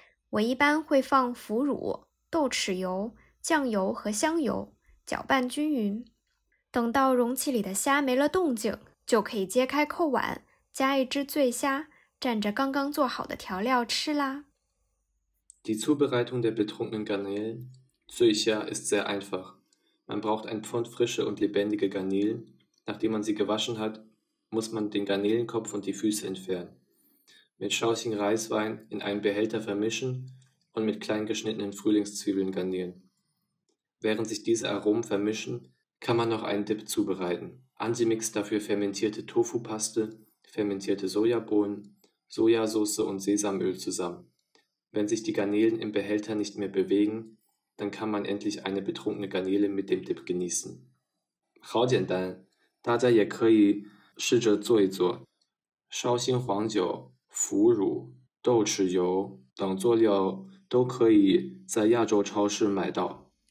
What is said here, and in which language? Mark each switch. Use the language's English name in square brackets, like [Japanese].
[Chinese] 我一般会放腐乳、豆豉油、酱油和香油，搅拌均匀。等到容器里的虾没了动静，就可以揭开扣碗，加一只醉虾，蘸着刚刚做好的调料吃啦。 [German] Die Zubereitung der betrunkenen Garnelen Zuisha ist sehr einfach. Man braucht ein Pfund frische und lebendige Garnelen. Nachdem man sie gewaschen hat, muss man den Garnelenkopf und die Füße entfernen. Mit Schaoxing Reiswein in einem Behälter vermischen und mit klein geschnittenen Frühlingszwiebeln garnieren. Während sich diese Aromen vermischen, kann man noch einen Dip zubereiten. Ansi mixt dafür fermentierte Tofu-Paste, fermentierte Sojabohnen, Sojasauce und Sesamöl zusammen. Wenn sich die Garnelen im Behälter nicht mehr bewegen, dann kann man endlich eine betrunkene Garnele mit dem Dip genießen. [Chinese] Hao简单，大家也可以试着做一做。绍兴黄酒、腐乳、豆豉油等佐料都可以在亚洲超市买到。